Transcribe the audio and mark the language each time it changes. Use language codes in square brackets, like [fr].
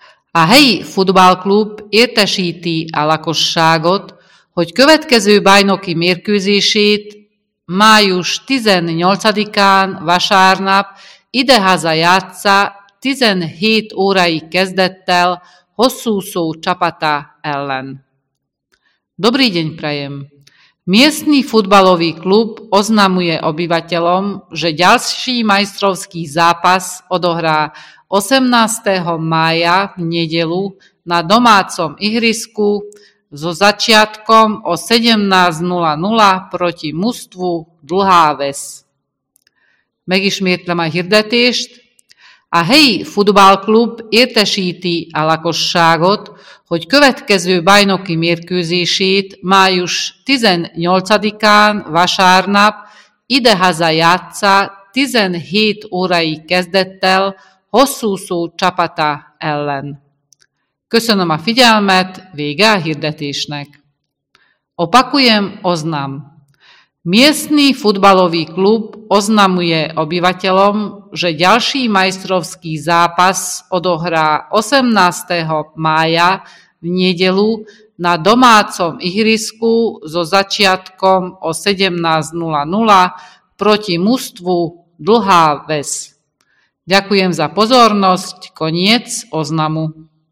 [hu] A helyi futballklub értesíti a lakosságot, hogy következő bajnoki mérkőzését május 18-án vasárnap idehaza játssza 17 órai kezdettel Hosszúszó csapata ellen. [sk] Dobrý deň prajem! Miestny futbalový klub oznamuje obyvateľom, že ďalší majstrovský zápas odohrá 18. mája v nedeľu na domácom ihrisku so začiatkom o 17:00 proti mužstvu Dlhá Ves. [hu] Megismétlem a hirdetést. A helyi futballklub értesíti a lakosságot, hogy következő bajnoki mérkőzését május 18-án vasárnap idehaza játssza 17 órai kezdettel Hosszúszó csapata ellen. Köszönöm a figyelmet, vége a hirdetésnek. [sk] Opakujem oznam. Miestny futbalový klub oznamuje obyvateľom, že ďalší majstrovský zápas odohrá 18. mája v nedeľu na domácom ihrisku so začiatkom o 17:00 proti mužstvu Dlhá Ves. Ďakujem za pozornosť. Koniec oznamu.